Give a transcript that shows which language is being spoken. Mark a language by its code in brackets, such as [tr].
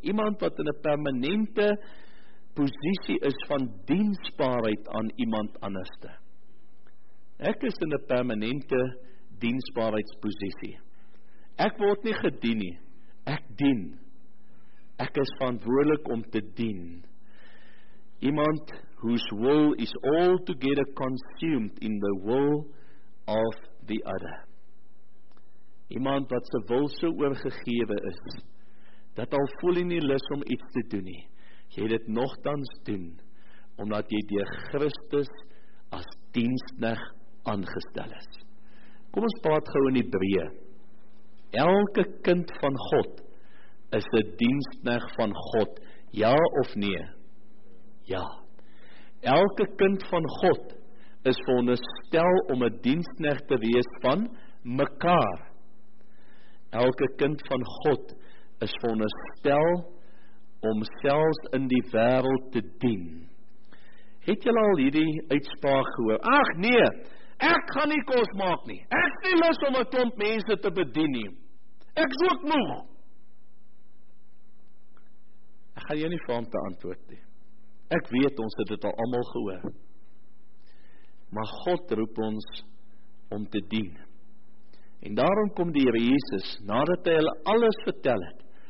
[af] Iemand wat in 'n permanente posisie is van diensbaarheid aan iemand anders. Ek is in 'n permanente diensbaarheidsposisie. Ek word nie gedien nie, ek dien. Ek is verantwoordelik om te dien. Iemand [en] whose will is altogether consumed in the will of the other. [af] Iemand wat sy wil so oorgegewe is, dat al voel hy nie lus om iets te doen nie, jy dit nogtans doen, omdat jy deur Christus as diensknegt aangestel is. Kom ons praat gou in Hebreë. Elke kind van God is 'n diensknegt van God, ja of nee? Ja. Elke kind van God is veronderstel om 'n diensknegt te wees van mekaar. Elke kind van God is veronderstel om selfs in die wêreld te dien. Het julle al hierdie uitspraak gehoor? Ag nee, ek gaan nie kos maak nie. Ek het nie lus om 'n klomp mense te bedien nie. Ek is ook moeg. Ek gaan jou nie vra om te antwoord nie. Ek weet ons het dit al almal gehoor. Maar God roep ons om te dien. En daarom kom die Here Jesus, nadat hy hulle alles vertel het.